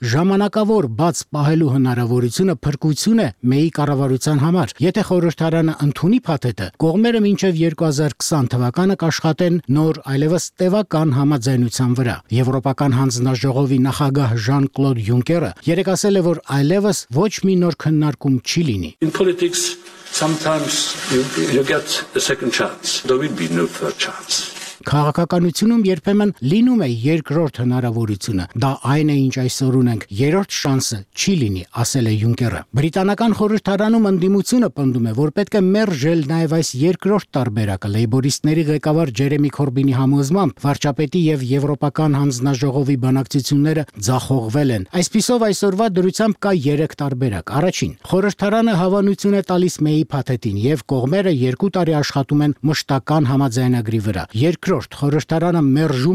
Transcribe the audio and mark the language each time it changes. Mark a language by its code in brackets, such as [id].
[hy] ժամանակավոր բաց պահելու հնարավորությունը փրկություն է Մեյի կառավարության համար, եթե խորհրդարանը ընդունի փաթեթը։ Կողմերը մինչեւ 2020 թվականը կաշխատեն նոր այլևս տևական համաձայնության վրա։ Եվրոպական հանձնաժողովի նախագահ Ժան-Կլոդ Յունկերը երեկ ասել է, որ այլևս ոչ մի նոր քննարկում չի լինի։ [en] In politics, sometimes you get a second chance. There will be no third chance. [hy] Քաղաքականությունում երբեմն լինում է երկրորդ հնարավորությունը, դա այն է, ինչ այսօր ունենք, երրորդ շանսը չի լինի, ասել է Յունկերը։ Բրիտանական խորհրդարանում ընդդիմությունը պնդում է, որ պետք է մերժել նաև այս երկրորդ տարբերակը, լեյբորիստների ղեկավար Ջերեմի Քորբինի համոզմամբ վարչապետի եւ Եվրոպական հանձնաժողովի բանակցությունները ձախողվել են։ Այսպիսով այսօրվա դրությամբ կա 3 տարբերակ։ Առաջին, խորհրդարանը հավանություն է տալիս Մեյի փաթեթին եւ կողմերը 2 տարի աշխատում են մշտական համաձայնագրի վրա։ Երկրորդ, խորհրդարանը մերժում է